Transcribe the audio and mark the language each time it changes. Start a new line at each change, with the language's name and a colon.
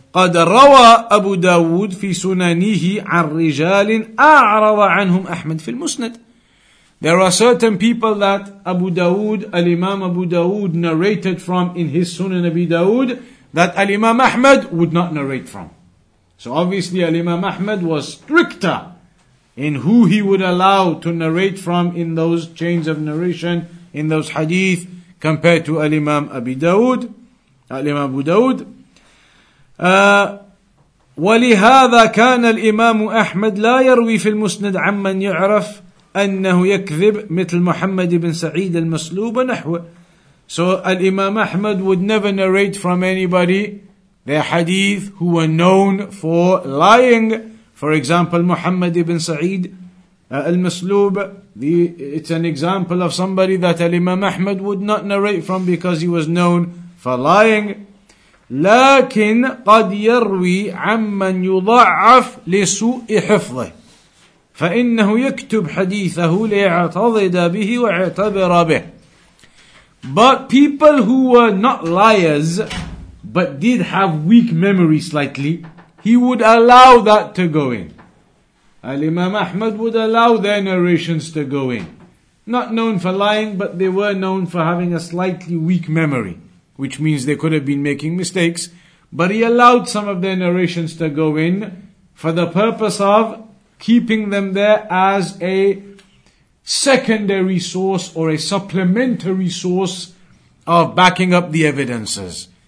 Arabic: قد روى أبو داود في سننه عن رجال أعرض عنهم أحمد في المسند.
English: There are certain people that Abu Dawood, Al-Imam Abu Dawood narrated from in his Sunan Abi Dawood that Al-Imam Ahmad would not narrate from. So obviously Al-Imam Ahmad was stricter in who he would allow to narrate from in those chains of narration, in those hadith, compared to Al-Imam Abi Dawood, Al-Imam Abu Dawood.
Arabic: ولهذا كان الإمام أحمد لا يروي في المسند عمن يعرف أنه يكذب مثل محمد بن سعيد المسلوب نحوه.
English: So الإمام أحمد would never narrate from anybody their hadith who were known for lying. For example, محمد بن سعيد المسلوب. It's an example of somebody that الإمام أحمد would not narrate from because he was known for lying.
Arabic: لكن قد يروي عمن يضعف لسوء حفظه فإنه يكتب حديثه ليعتضد به ويعتبر به.
English: But people who were not liars but did have weak memory slightly, he would allow that to go in. Al-Imam Ahmad would allow their narrations to go in. Not known for lying, but they were known for having a slightly weak memory, which means they could have been making mistakes, but he allowed some of their narrations to go in for the purpose of keeping them there as a secondary source or a supplementary source of backing up the evidences.